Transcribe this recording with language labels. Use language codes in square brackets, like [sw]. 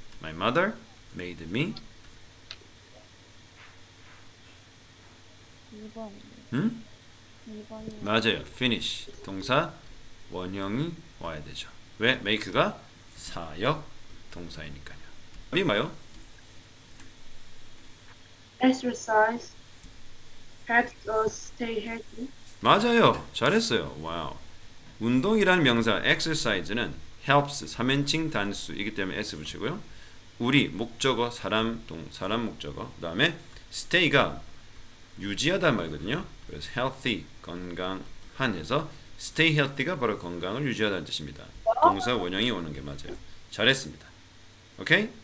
[en] My mother made me. [ko] 응? 맞아요. finish 동사 원형이 와야 되죠. 왜? make가 사역 동사이니까요. 미마요? [en] Exercise helps us stay healthy. [ko] 맞아요. 잘했어요. 와우. 운동이란 명사 exercise는 helps 3인칭 단수 이기 때문에 s 붙이고요. 우리 목적어 사람 동 사람 목적어 그다음에 stay가 유지하다 말거든요. 그래서 healthy 건강한 해서 stay healthy가 바로 건강을 유지하다는 뜻입니다. 동사 원형이 오는 게 맞아요. 잘했습니다. 오케이?